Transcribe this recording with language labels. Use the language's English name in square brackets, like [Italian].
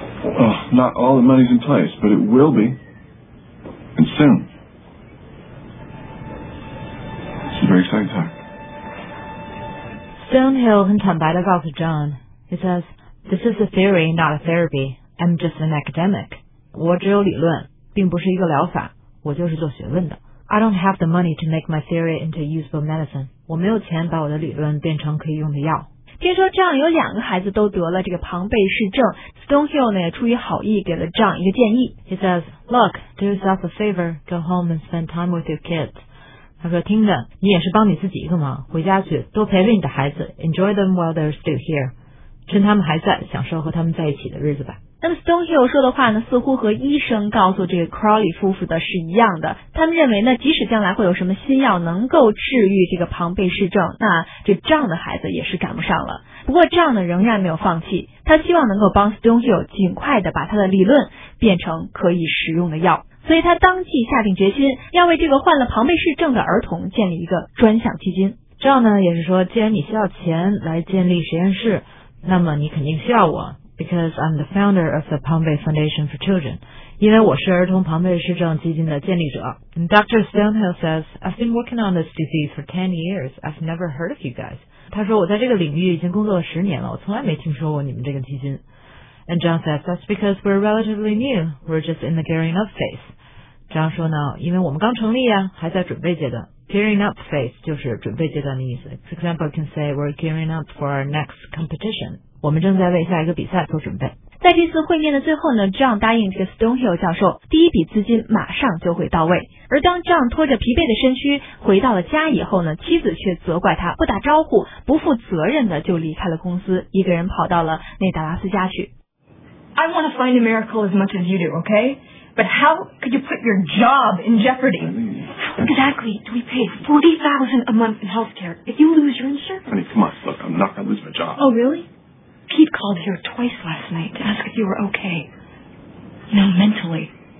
[English] Oh, not all the money's in place, but it will be. And soon. It's a very exciting time. [Chinese] Stonehill 很坦白地告诉 John. [English] He says, This is a theory, not a therapy. I'm just an academic. [Chinese] 我只有理论，并不是一个疗法。我就是做学问的。 [English] I don't have the money to make my theory into usable medicine. [Chinese] 我没有钱把我的理论变成可以用的药。听说 John 有两个孩子都得了这个庞贝氏症， Stonehill 呢也出于好意给了 John 一个建议。 [English] He says, look, do yourself a favor, go home and spend time with your kids. [Chinese] 他说听着，你也是帮你自己一个忙，回家去多陪陪你的孩子， [English] enjoy them while they're still here. [Chinese] 趁他们还在，享受和他们在一起的日子吧。那么 Stonehill 说的话呢，似乎和医生告诉这个 Crowley 夫妇的是一样的。他们认为呢，即使将来会有什么新药能够治愈这个庞贝氏症，那这 John 的孩子也是赶不上了。不过 John 呢仍然没有放弃，他希望能够帮 Stonehill 尽快的把他的理论变成可以使用的药。所以他当即下定决心，要为这个患了庞贝氏症的儿童建立一个专项基金。 John 呢也是说，既然你需要钱来建立实验室，那么你肯定需要我。 [English] Because I'm the founder of the Pompe Foundation for Children. [Chinese] 因为我是儿童庞贝氏症基金的建立者。 [English] And Dr. Stonehill says, I've been working on this disease for 10 years. I've never heard of you guys. [Chinese] 他说我在这个领域已经工作了十年了，我从来没听说过你们这个基金。 [English] And John says, that's because we're relatively new. We're just in the gearing up phase. [Chinese] John 说呢，因为我们刚成立啊，还在准备阶段。 Gearing up phase 就是准备阶段的意思。 [English] For example, you can say, we're gearing up for our next competition. [Chinese] 我们正在为下一个比赛做准备。在这次会面的最后呢， John 答应这个 Stonehill 教授第一笔资金马上就会到位。而当 John 拖着疲惫的身躯回到了家以后呢，妻子却责怪他不打招呼，不负责任的就离开了公司，一个人跑到了内达拉斯家去。 [English] I want to find a miracle as much as you do, okay? But how could you put your job in jeopardy? Exactly. Do we pay $40,000 a month in healthcare if you lose your insurance? Honey, come on. Look, I'm not going to lose my job. Oh, really? Pete called here twice last night to ask if you were okay. No, mentally.